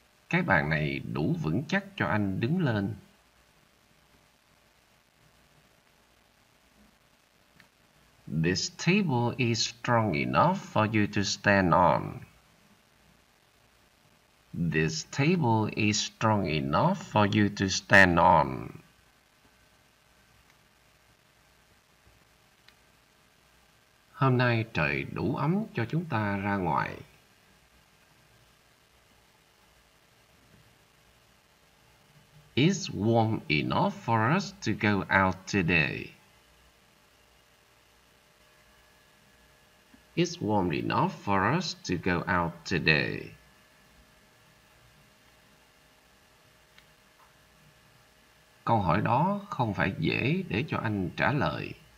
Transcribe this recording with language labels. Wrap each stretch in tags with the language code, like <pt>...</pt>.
<vi>Cái bàn này đủ vững chắc cho anh đứng lên.</vi> <en>This table is strong enough for you to stand on. This table is strong enough for you to stand on.</en> <vi>Hôm nay trời đủ ấm cho chúng ta ra ngoài.</vi> <en>It's warm enough for us to go out today. It's warm enough for us to go out today.</en> <vi>Câu hỏi đó không phải dễ để cho anh trả lời.</vi>